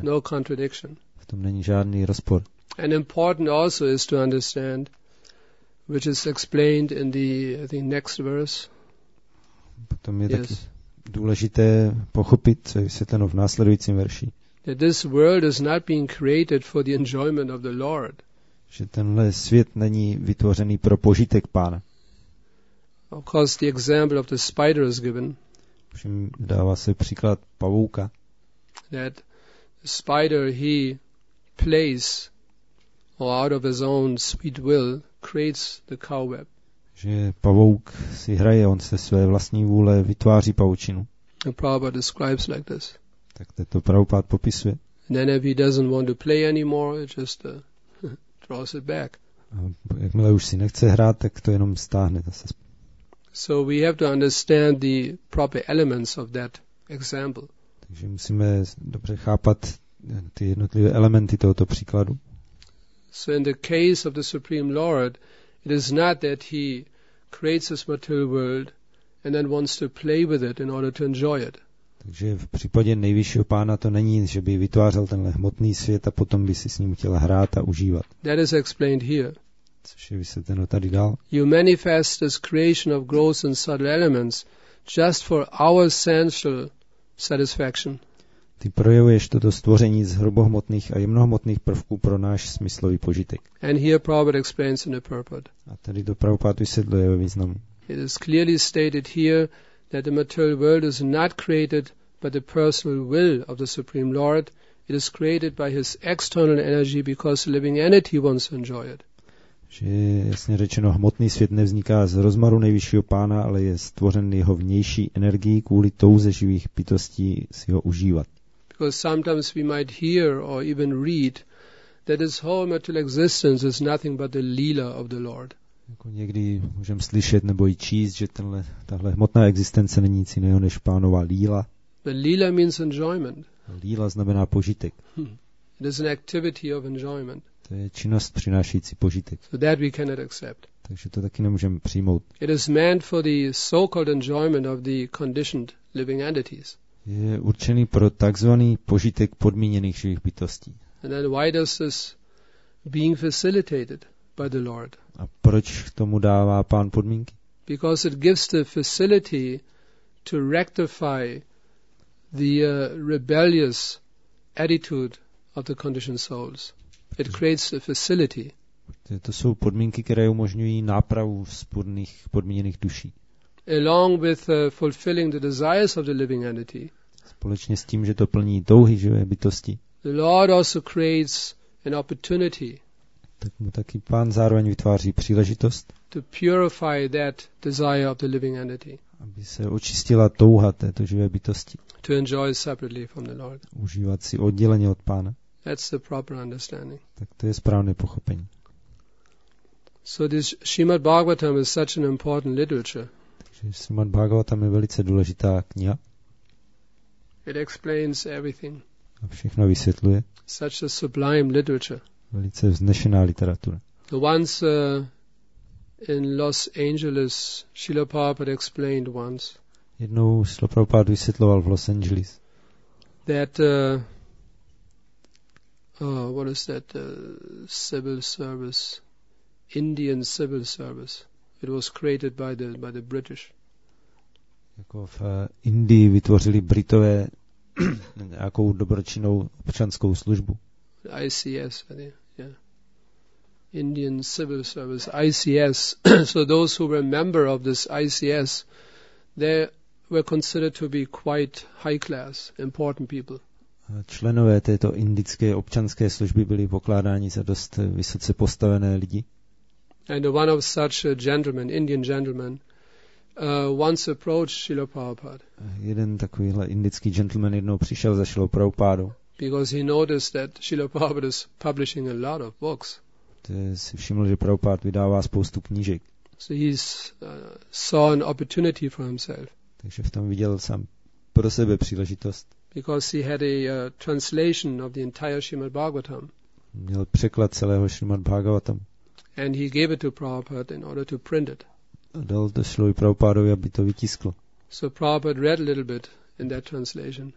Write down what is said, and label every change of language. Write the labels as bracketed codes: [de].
[en] There's no contradiction. [cs] V tom není žádný rozpor. [en] And important also is to understand, which is explained in the, I think, next verse. [cs] Potom je taky důležité pochopit, co je vysvětleno v následujícím verši. [en] That this world is not being created for the enjoyment of the Lord. [cs] Že tenhle svět není vytvořený pro požitek Pána. [en] Of course the example of the spider is given. [cs] Všem dává se příklad pavouka. [en] That the spider, he plays, or out of his own sweet will, creates the cowweb. [cs] Že pavouk si hraje, on se své vlastní vůle vytváří pavučinu. [en] The Prabhupada describes like this. [cs] Tak to Prabhupád popisuje. [en] And then if he doesn't want to play anymore, it's just draws it back. [cs] Jakmile už si nechce hrát, tak to jenom stáhne zase. [en] So we have to understand the proper elements of that example. [cs] Takže musíme dobře chápat ty jednotlivé elementy tohoto příkladu. [en] So in the case of the Supreme Lord, it is not that he creates this material world and then wants to play with it in order to enjoy it. [cs] Takže v případě nejvyššího pána to není, že by vytvářel tenhle hmotný svět a potom by si s ním chtěl hrát a užívat. [en] That is explained here. [cs] Což je vysvětleno tady dál. [en] You manifest this creation of gross and subtle elements just for our sensual satisfaction. [cs] Ty projevuješ toto stvoření z hrubohmotných a jemnohmotných prvků pro náš smyslový požitek. [en] And here Prabhupada explains in the purport. [cs] A tady to Prabhupada vysvětluje ve významu. [en] It is clearly stated here that the material world is not created by the personal will of the Supreme Lord. It is created by his external energy because the living entity wants to enjoy it. [cs] Že jasně řečeno, hmotný svět nevzniká z rozmaru nejvyššího pána, ale je stvořen jeho vnější energií kvůli touze živých bytostí si ho užívat. [en] Because sometimes we might hear or even read that his whole material existence is nothing but the leela of the Lord. [cs] Jako někdy můžeme slyšet nebo i číst, že tahle hmotná existence není nic jiného než pánova líla. [en] The líla means enjoyment. [cs] Líla znamená požitek. [en] It is an activity of enjoyment. [cs] To je činnost přinášející požitek. [en] So that we cannot accept. [cs] Takže to taky nemůžeme přijmout. [en] It is meant for the so-called enjoyment of the conditioned living entities. [cs] Je určený pro takzvaný požitek podmíněných živých bytostí. [en] And then why does this being facilitated by the Lord? [cs] A proč k tomu dává pán podmínky? [en] Because it gives the facility to rectify the rebellious attitude of the conditioned souls. It creates a facility. [cs] To jsou podmínky, které umožňují nápravu vzpůrných podmíněných duší. [en] Along with fulfilling the desires of the living entity. [cs] Společně s tím, že to plní touhy živé bytosti. [en] The Lord also creates an opportunity. [cs] Tak mu taky pán zároveň vytváří příležitost. [en] To purify that desire of the living entity. [cs] Aby se očistila touha této živé bytosti. [en] To enjoy separately from the Lord. [cs] Užívat si odděleně od pána. [en] That's the proper understanding. [cs] Tak to je správné pochopení. [en] So this Srimad Bhagavatam is such an important literature. [cs] Takže Srimad Bhagavatam je velice důležitá kniha. [en] It explains everything. [cs] A všechno vysvětluje. [en] Such a sublime literature. [cs] Velice vznešená literatura. [en] The ones in Los Angeles, Srila Prabhupada explained once. [cs] Jednou Srila Prabhupada vysvětloval v Los Angeles. [en] That what is that civil service? Indian civil service. It was created by the British. [cs] Jako v Indii vytvořili Britové nějakou dobročinnou občanskou službu. [en] ICS, yeah. Indian civil service, ICS. So those who were a member of this ICS, they were considered to be quite high class, important people. [cs] Členové této indické občanské služby byli pokládáni za dost vysoce postavené lidi. [en] And one of such gentlemen, Indian gentleman, once approached Srila Prabhupada. [cs] Jeden takovýhle indický gentleman jednou přišel za Srila Prabhupádou. [en] Because he noticed that Srila Prabhupada is publishing a lot of books. [cs] Si všiml, že Prabhupáda vydává spoustu knížek. [en] So he saw an opportunity for himself. [cs] Takže v tom viděl sám pro sebe příležitost. [en] Because he had a translation of the entire Srimad Bhagavatam. [cs] Měl překlad celého Srimad Bhagavatam. [en] And he gave it to Prabhupada in order to print it. [cs] A dal to Srilovi Prabhupádovi, aby to vytiskl. [en] So Prabhupada read a little bit in that translation.